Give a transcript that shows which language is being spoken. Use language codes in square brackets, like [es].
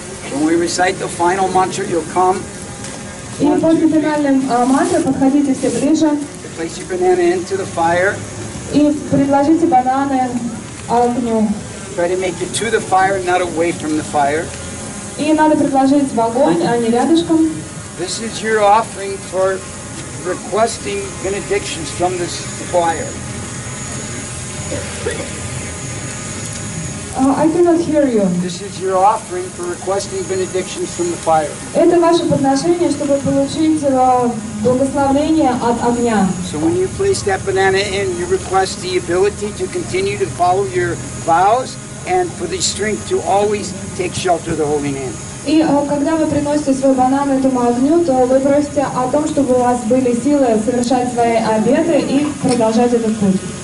[en] When we recite the final mantra, you'll come. [ru] И после финального мантры подходите все ближе. [en] Place your banana into the fire. [ru] И предложите бананы огню. [en] Try to make it to the fire, not away from the fire. [ru] И надо предложить в огонь, а не рядышком. [en] This is your offering for requesting benedictions from this fire. I cannot hear you. This is your offering for requesting benedictions from the fire. [ru] Это ваше подношение, чтобы получить благословение от огня. [en] So when you place that banana in, you request the ability to continue to follow your vows and for the strength to always take shelter of the holy name. [ru] И когда вы приносите свой банан этому огню, то вы просите о том, чтобы у вас были силы совершать свои обеты и продолжать этот путь.